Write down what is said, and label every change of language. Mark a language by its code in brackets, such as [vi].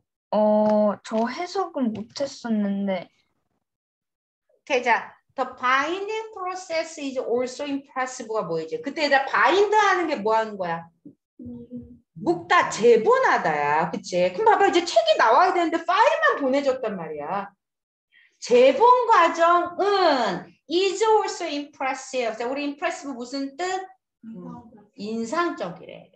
[ko] 어, 저 해석은 못했었는데. 대자, [en] the binding process is also impressive [ko] 가 뭐였지? 그때 바인드하는 게 뭐 하는 거야? 묶다, 재본하다야, 그치? 그럼 봐봐, 이제 책이 나와야 되는데 파일만 보내줬단 말이야. 재본 과정은 [en] is also impressive. [ko] 자, 우리 impressive 무슨 뜻? 인상적이래.